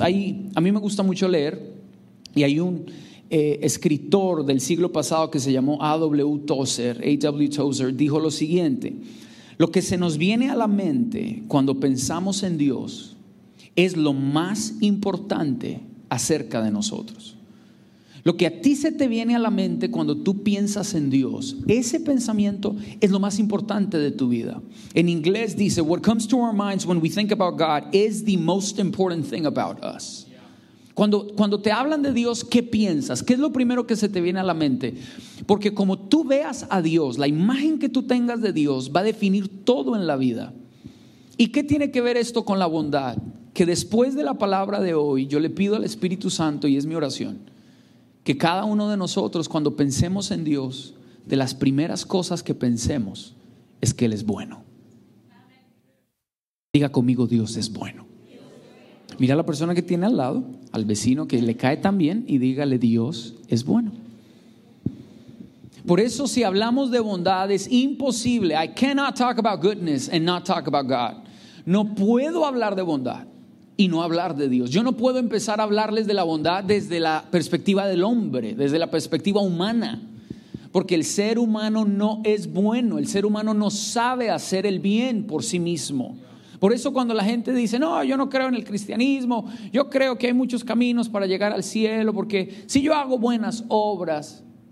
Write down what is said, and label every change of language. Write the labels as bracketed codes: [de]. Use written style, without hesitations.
[es] Ahí, a mí me gusta mucho leer, y hay un escritor del siglo pasado que se llamó A.W. Tozer, dijo lo siguiente: lo que se nos viene a la mente cuando pensamos en Dios es lo más importante acerca de nosotros. Lo que a ti se te viene a la mente cuando tú piensas en Dios, ese pensamiento es lo más importante de tu vida. En inglés dice: [en] what comes to our minds when we think about God is the most important thing about us. [es] Cuando te hablan de Dios, ¿qué piensas? ¿Qué es lo primero que se te viene a la mente? Porque como tú veas a Dios, la imagen que tú tengas de Dios va a definir todo en la vida. ¿Y qué tiene que ver esto con la bondad? Que después de la palabra de hoy, yo le pido al Espíritu Santo, y es mi oración, que cada uno de nosotros, cuando pensemos en Dios, de las primeras cosas que pensemos es que Él es bueno. Diga conmigo: Dios es bueno. Mira a la persona que tiene al lado, al vecino que le cae tan bien, y dígale: Dios es bueno. Por eso, si hablamos de bondad, es imposible. [en] I cannot talk about goodness and not talk about God. [es] No puedo hablar de bondad y no hablar de Dios. Yo no puedo empezar a hablarles de la bondad desde la perspectiva del hombre, desde la perspectiva humana, porque el ser humano no es bueno. El ser humano no sabe hacer el bien por sí mismo. Por eso, cuando la gente dice: no, yo no creo en el cristianismo, yo creo que hay muchos caminos para llegar al cielo, porque si yo hago buenas obras.